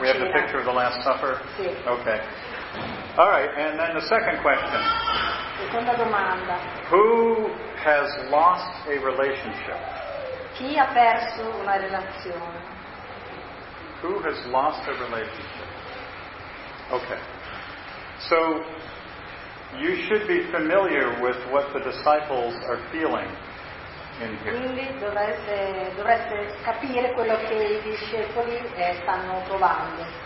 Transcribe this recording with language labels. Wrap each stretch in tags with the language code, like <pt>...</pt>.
<en>We have the picture of the Last Supper.</en> <it>Sì.</it> <en>Okay. All right, and then the second question.</en> <it>Seconda domanda.</it> <en>Who has lost a relationship?</en> <it>Chi ha perso una relazione?</it> <en>Who has lost a relationship? Okay. So you should be familiar with what the disciples are feeling in here.</en> <it>Quindi dovreste capire quello che i discepoli stanno provando.</it>